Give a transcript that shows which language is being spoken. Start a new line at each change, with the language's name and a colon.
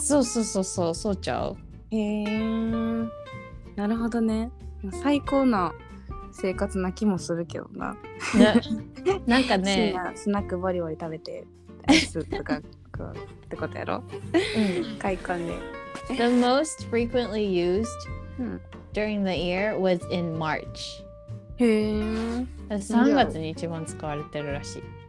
Japanese: そうそうそうそう、そうちゃう。へえ。なるほどね。最高な生活な気もするけどな。なんかね、スナックバリバリ食べてアイスとか食うってことやろ。うん、快感で。
English: The most frequently used during the year was in March. へえ。
Japanese: 3月に一番使われてるらしい。